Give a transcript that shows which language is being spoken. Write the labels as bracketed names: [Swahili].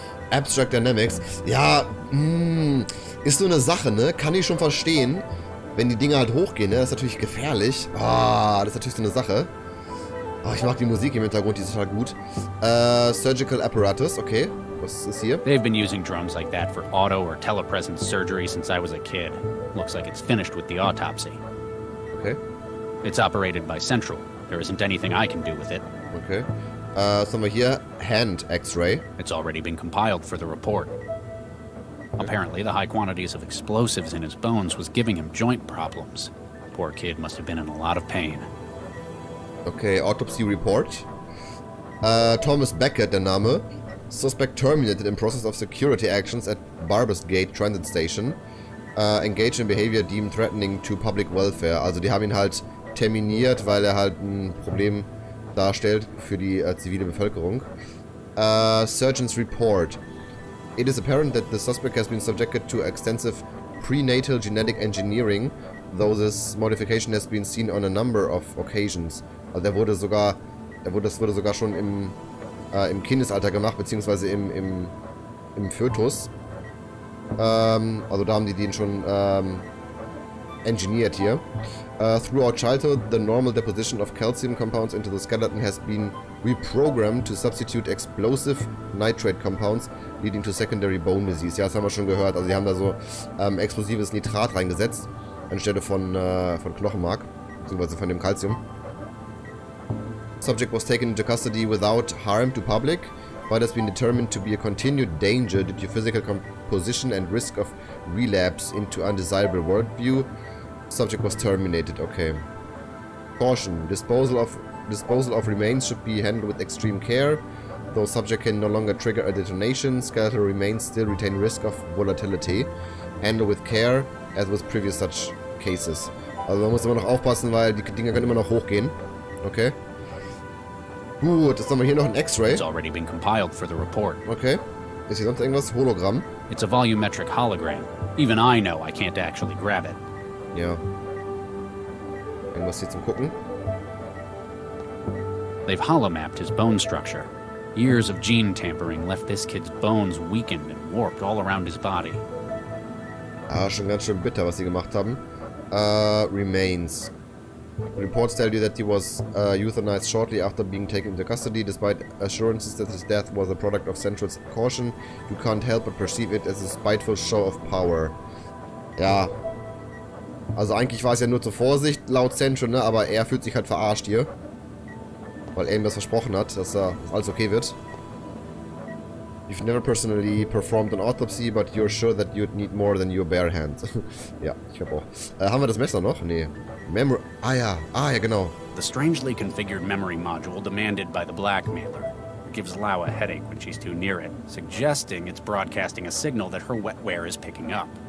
[German] Abstract Dynamics, ja, ist so eine Sache, ne? Kann ich schon verstehen, wenn die Dinge halt hochgehen, ne? Das ist natürlich gefährlich. Ah, oh, das ist natürlich so eine Sache. Oh, ich mag die Musik im Hintergrund, die ist total gut. Surgical Apparatus, okay. Was ist hier? [English] They've been using drums like that for auto or telepresence surgery since I was a kid. Looks like it's finished with the autopsy. Okay. It's operated by Central. There isn't anything I can do with it. [German] Okay. Was haben wir hier? Hand X-Ray. [English] It's already been compiled for the report. Apparently the high quantities of explosives in his bones was giving him joint problems. Poor kid must have been in a lot of pain. Okay, autopsy report. Thomas Beckett, [German] der Name. [English] Suspect terminated in process of security actions at Barbers Gate Transit Station. Engaged in behavior deemed threatening to public welfare. [German] Also die haben ihn halt terminiert, weil er halt ein Problem darstellt für die zivile Bevölkerung. [English] Surgeon's report. It is apparent that the suspect has been subjected to extensive prenatal genetic engineering, though this modification has been seen on a number of occasions. [German] Also das wurde sogar schon im Kindesalter gemacht, beziehungsweise im Fötus. Also da haben die den schon engineered hier. [English] Throughout childhood, the normal deposition of calcium compounds into the skeleton has been reprogrammed to substitute explosive nitrate compounds, leading to secondary bone disease. [German] Ja, das haben wir schon gehört. Also die haben da so explosives Nitrat reingesetzt, anstelle von Knochenmark, beziehungsweise von dem Calcium. [English] Subject was taken into custody without harm to public, but has been determined to be a continued danger due to physical composition and risk of relapse into undesirable worldview. Subject was terminated, okay. Caution. Disposal of remains should be handled with extreme care. Though subject can no longer trigger a detonation, skeletal remains still retain risk of volatility. Handle with care, as with previous such cases. [German] Also man muss immer noch aufpassen, weil die Dinger können immer noch hochgehen. Okay. Gut, jetzt haben wir hier noch ein X-Ray. [English] It's already been compiled for the report. [German] Okay. Ist hier sonst irgendwas? Hologramm. [English] It's a volumetric hologram. Even I know I can't actually grab it. [German] Ja. Irgendwas hier zum Gucken. [English] They've holomapped his bone structure. Years of gene tampering left this kid's bones weakened and warped all around his body. [German] Ah, schon ganz schön bitter, was sie gemacht haben. [English] Remains. Reports tell you that he was euthanized shortly after being taken into custody, despite assurances that his death was a product of Central's caution. You can't help but perceive it as a spiteful show of power. [German] Ja. Also eigentlich war es ja nur zur Vorsicht laut Central, ne? Aber er fühlt sich halt verarscht hier. Weil er ihm das versprochen hat, dass alles okay wird. [English] You've never personally performed an autopsy, but you're sure that you'd need more than your bare hands. [German] Ja, ich hab auch. Haben wir das Messer noch? Nee. Ja, genau. [English] The strangely configured memory module demanded by the blackmailer gives Lau a headache when she's too near it, suggesting it's broadcasting a signal that her wetware is picking up.